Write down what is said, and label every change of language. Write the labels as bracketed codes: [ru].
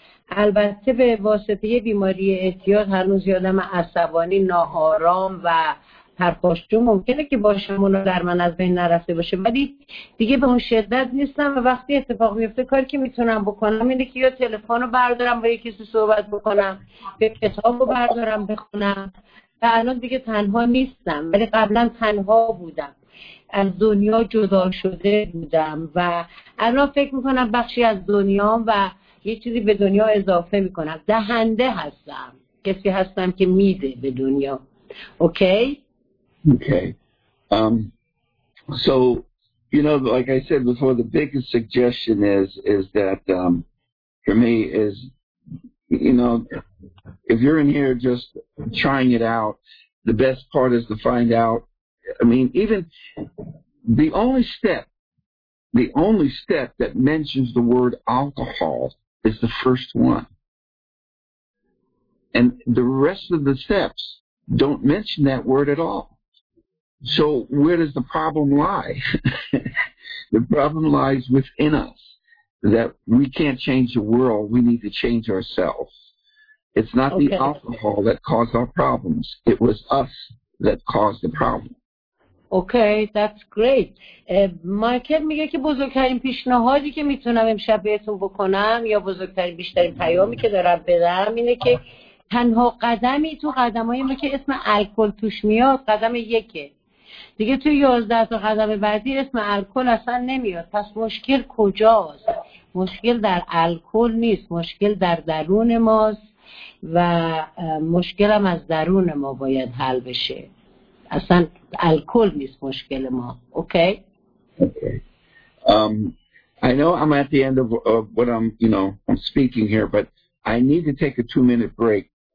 [fa] البته به واسطه بیماری اعتیاد هنوز یادم عصبانی، ناآرام و پرخاشجو ممکنه که باشم، اونو در من از بین نرفته باشه، ولی دیگه به اون شدت نیستم و وقتی اتفاق میفته کاری که میتونم بکنم اینه که یا تلفن رو بردارم با یکی صحبت بکنم، یا کتاب رو بردارم بخونم و الان دیگه تنها نیستم، ولی قبلا تنها بودم، از دنیا جدا شده بودم و الان فکر میکنم بخشی از دنیام و یه چیزی به دنیا اضافه میکنم، دهنده هستم، کسی هستم که میده به دنیا. [en] Okay? Okay. So, you know, like I said before, the biggest suggestion is that for me is, you know, if you're in here just trying it out, the best part is to find out. I mean, even the only step that mentions the word alcohol is the first one. And the rest of the steps don't mention that word at all. So where does the problem lie? The problem lies within us, that we can't change the world. We need to change ourselves. It's not the alcohol that caused our problems. It was us that caused the problem. Okay, that's great. [fa] مایکل میگه که بزرگترین پیشنهادی که میتونم امشب بهتون بکنم یا بزرگترین بیشترین پیامی که دارم بدم اینه که تنها قدمی تو قدمایی ما که اسم الکل توش میاد قدم یکه. دیگه تو 11 تا قدم بعدی اسم الکل اصلا نمیاد. پس مشکل کجاست؟ مشکل در الکل نیست، مشکل در درون ماست و مشکل هم از درون ما باید حل بشه، اصلا الکل نیست مشکل ما. [en] Okay? I know I'm at the end of what I'm, you know, I'm speaking here, but I need to take a 2-minute break.